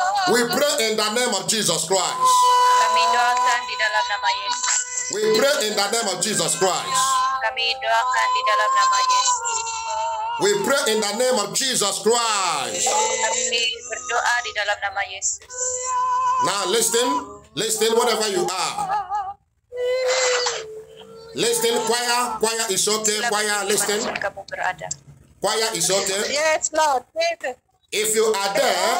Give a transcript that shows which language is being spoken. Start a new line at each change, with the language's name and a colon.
English: We pray in the name of Jesus Christ.
Indonesian: Kami doakan di dalam nama Yesus.
English: We pray in the name of Jesus Christ.
Indonesian: Kami doakan di dalam nama Yesus.
English: We pray in the name of Jesus Christ.
Indonesian: Kami berdoa di dalam nama Yesus.
English: Now listen, listen, whatever you are. Listen, choir, choir is okay, choir, listen. Choir is okay. Yes, Lord. If you are there,